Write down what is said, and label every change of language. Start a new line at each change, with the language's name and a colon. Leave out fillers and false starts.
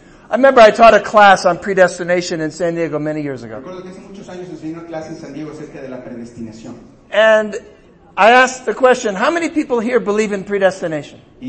English: I remember I taught a class on predestination in San Diego many years ago.
Spanish: Recuerdo que hace muchos años enseñé una clase en San Diego acerca de la predestinación.
English: And I asked the question, how many people here believe in predestination?